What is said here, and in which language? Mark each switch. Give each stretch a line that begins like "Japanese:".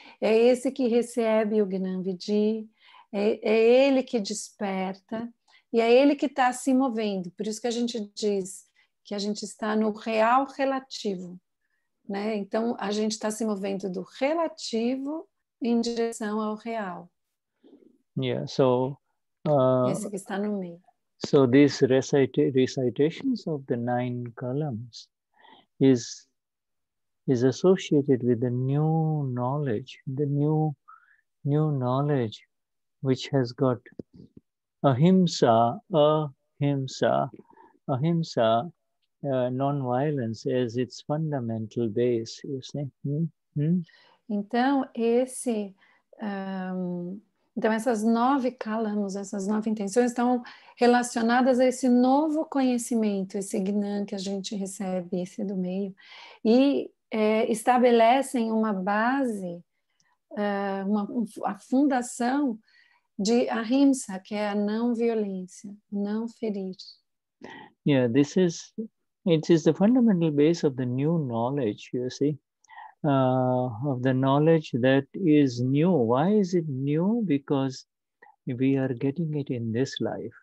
Portuguese: É esse que recebe o Gnan Vidhi, é ele que desperta, e é ele que está se movendo. Por isso que a gente diz que a gente está no real relativo, né? Então, a gente está se movendo do relativo em direção ao real.
English: Yeah, so...
Portuguese: esse que está no meio.
English: So these recitations of the nine columns is associated with the new knowledge which has got ahimsa, non-violence as its fundamental base, you see.
Portuguese: Então esse Então, essas nove kalamas, essas nove intenções estão relacionadas a esse novo conhecimento, esse gnan que a gente recebe, esse do meio, e estabelecem uma base, a fundação de ahimsa, que é a não violência, não ferir.
English: Yeah, it is the fundamental base of the new knowledge, you see. Of the knowledge that is new. Why is it new? Because we are getting it in this life.